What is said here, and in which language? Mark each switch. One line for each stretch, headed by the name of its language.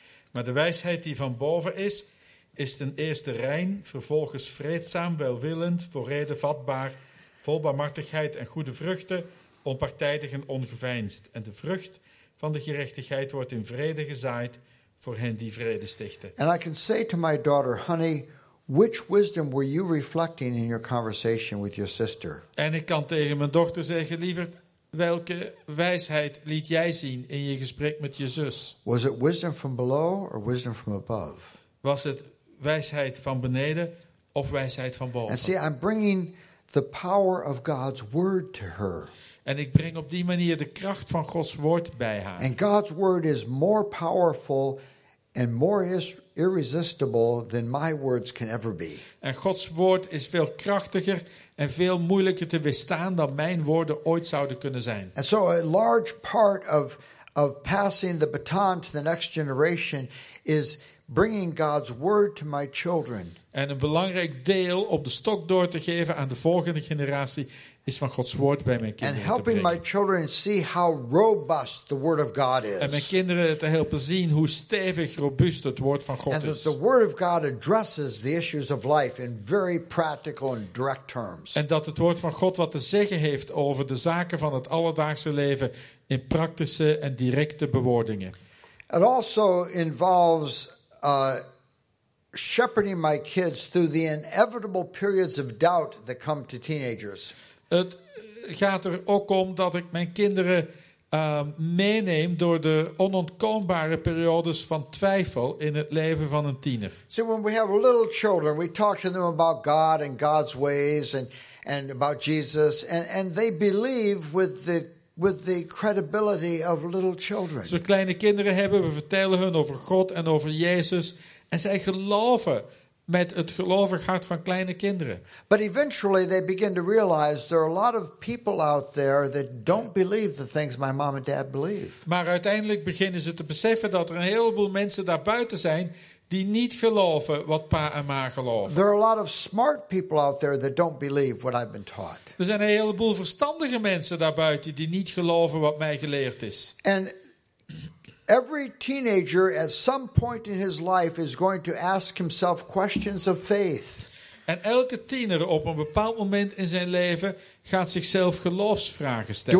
Dutch: Maar de wijsheid die van boven is, is ten eerste rein, vervolgens vreedzaam, welwillend, voor reden vatbaar, vol barmhartigheid en goede vruchten, onpartijdig en ongeveinsd. En de vrucht van de gerechtigheid wordt in vrede gezaaid voor hen die vrede stichten.
English: And I can say to my daughter, honey, which wisdom were you reflecting in your conversation with your sister?
Dutch: En ik kan tegen mijn dochter zeggen, lieverd, welke wijsheid liet jij zien in je gesprek met je zus?
English: Was it wisdom from below or wisdom from above?
Dutch: Was het wijsheid van beneden of wijsheid van boven?
English: And see, I'm bringing the power of God's word to her.
Dutch: En ik breng op die manier de kracht van Gods woord bij haar.
English: And God's word is more powerful and more irresistible than my words can ever be.
Dutch: En Gods woord is veel krachtiger en veel moeilijker te weerstaan dan mijn woorden ooit zouden kunnen zijn.
English: And so a large part of passing the baton to the next generation is bringing God's word to my children.
Dutch: En een belangrijk deel op de stok door te geven aan de volgende generatie is van Gods woord bij mijn kinderen
English: and helping my children see how robust the word of God is.
Dutch: En mijn kinderen te helpen zien hoe stevig, robuust het woord van God is.
English: And that the word of God addresses the issues of life in very practical and direct terms.
Dutch: En dat het woord van God wat te zeggen heeft over de zaken van het alledaagse leven in praktische en directe bewoordingen.
English: It also involves shepherding my kids through the inevitable periods of doubt that come to teenagers.
Dutch: Het gaat er ook om dat ik mijn kinderen meeneem door de onontkoombare periodes van twijfel in het leven van een tiener.
English: So when we have little children, we talk to them about God and God's ways and about Jesus, and they believe with the credibility of little children.
Dutch: Als we kleine kinderen hebben, we vertellen hun over God en over Jezus, en zij geloven met het gelovig hart van kleine kinderen.
English: But eventually they begin to realize there are a lot of people out there that don't believe the things my mom and dad believe.
Dutch: Maar uiteindelijk beginnen ze te beseffen dat er een heleboel mensen daar buiten zijn die niet geloven wat pa en ma geloven.
English: There are a lot of smart people out there that don't believe what I've been taught.
Dutch: Er zijn een heleboel verstandige mensen daar buiten die niet geloven wat mij geleerd is.
English: And every teenager at some point in his life is going to ask himself questions of faith.
Dutch: En elke tiener op een bepaald moment in zijn leven gaat zichzelf geloofsvragen stellen.